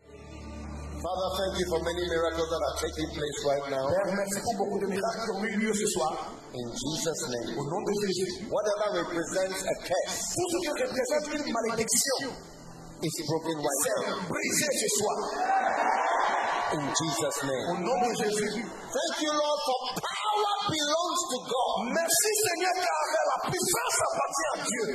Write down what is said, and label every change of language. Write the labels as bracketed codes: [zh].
[en] Father, thank you for many miracles that are taking place right now. [fr] Merci pour beaucoup de miracles qui ont eu lieu ce soir. [en] In Jesus' name. [fr] Au nom de Jésus. [en] Whatever represents a curse. [fr] Tout ce qui représente une malédiction. [en] It's broken right now. [fr] Brisé ce soir. [en] In Jesus' name. [fr] Au nom de Jésus. [en] Thank you, Lord, for power belongs to God. [fr] Merci, Seigneur, car la puissance appartient à Dieu.